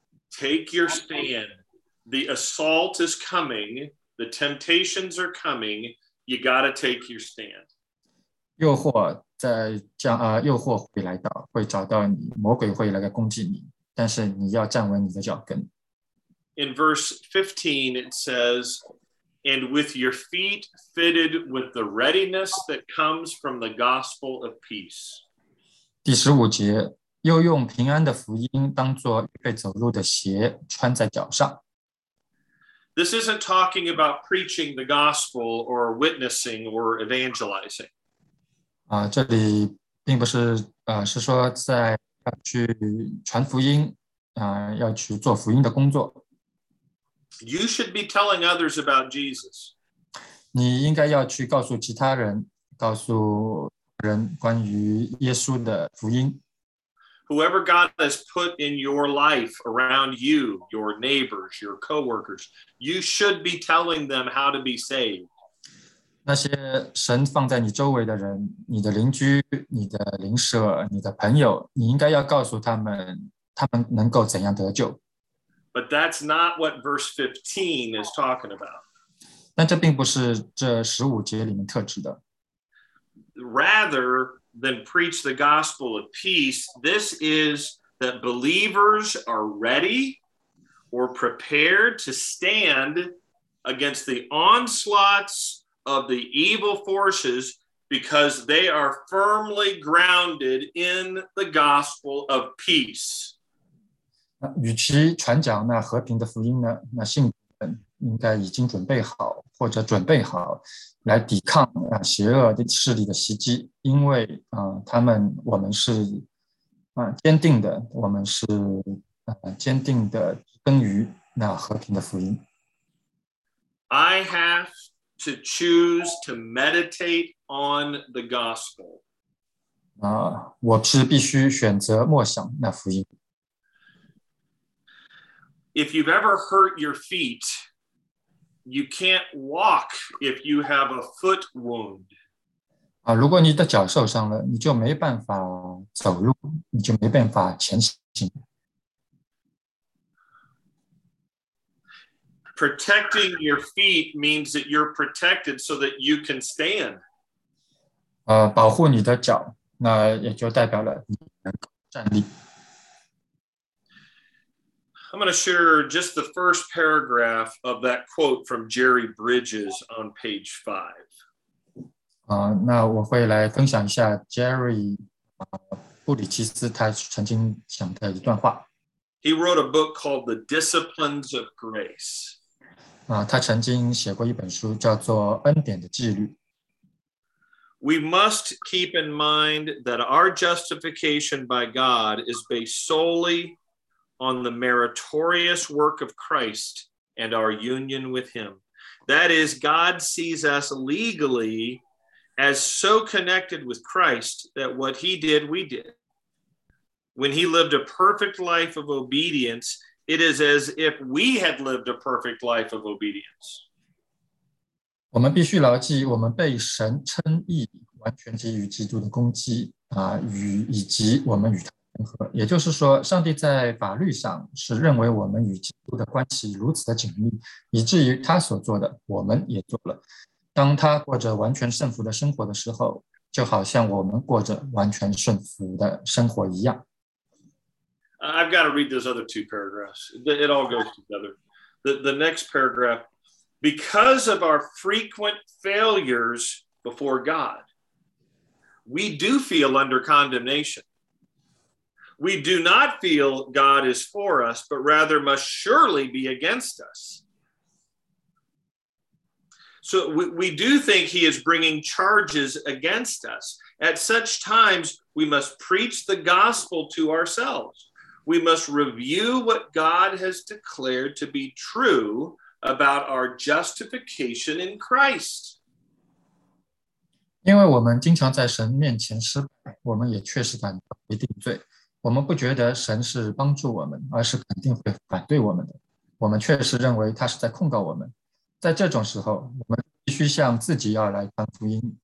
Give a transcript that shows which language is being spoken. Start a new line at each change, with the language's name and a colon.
English: Take your stand. The assault is coming. The temptations are coming. You got to take your stand.
Chinese: 诱惑会来到，会找到你，魔鬼会来攻击你，但是你要站稳你的脚跟。
English: In verse 15, it says, and with your feet fitted with the readiness that comes from the gospel of peace.
Chinese: 第十五节，又用平安的福音当作预备走路的鞋穿在脚上。
English: This isn't talking about preaching the gospel or witnessing or evangelizing.
Chinese: 这里并不是是说在要去传福音要去做福音的工作。
English: You should be telling others about Jesus.
Chinese: 你应该要去告诉其他人，告诉人关于耶稣的福音。
English: Whoever God has put in your life around you, your neighbors, your coworkers, you should be telling them how to be saved.
Chinese: 那些神放在你周围的人，你的邻居，你的邻舍，你的朋友，你应该要告诉他们，他们能够怎样得救。
English: But that's not what verse 15 is talking about.
Chinese: 但这并不是这十五节里面特指的。
English: Rather than preach the gospel of peace, this is that believers are ready or prepared to stand against the onslaughts of the evil forces because they are firmly grounded in the gospel of peace.
Chinese: 与其传讲那和平的福音呢，那信徒们应该已经准备好，或者准备好来抵抗邪恶的势力的袭击，因为我们是坚定的，我们是坚定的根于那和平的福音。
English: I have to choose to meditate on the gospel.
Chinese: 我是必须选择默想那福音。
English: If you've ever hurt your feet, you can't walk if you have a foot wound.
Chinese: 如果你的脚受伤了，你就没办法走路，你就没办法前行。
English: Protecting your feet means that you're protected so that you can stand.
Chinese: 保护你的脚，那也就代表了你能够站立。
English: I'm going to share just the first paragraph of that quote from Jerry Bridges on page 5.
Chinese: 那我会来分享一下 Jerry 布里奇斯他曾经讲的一段话。
English: He wrote a book called The Disciplines of Grace.
Chinese: 他曾经写过一本书叫做《恩典的纪律》。
English: We must keep in mind that our justification by God is based solely on the meritorious work of Christ and our union with Him. That is, God sees us legally as so connected with Christ that what He did, we did. When He lived a perfect life of obedience, it is as if we had lived a perfect life of obedience.
Chinese: 我们必须牢记，我们被神称义，完全基于基督的功绩，以及我们与他。也就是说，上帝在法律上是认为我们与基督的关系如此的紧密，以至于他所做的，我们也做了。当他过着完全顺服的生活的时候，就好像我们过着完全顺服的生活一样。
English: I've got to read those other two paragraphs. It all goes together. The next paragraph, because of our frequent failures before God, we do feel under condemnation. We do not feel God is for us, but rather must surely be against us. So we do think he is bringing charges against us. At such times, we must preach the gospel to ourselves. We must review what God has declared to be true about our justification in Christ.
Chinese: 因为我们经常在神面前失败，我们也确实感到一定罪。我们不觉得神是帮助我们，而是肯定会反对我们的。我们确实认为他是在控告我们。在这种时候，我们必须向自己要来传福音。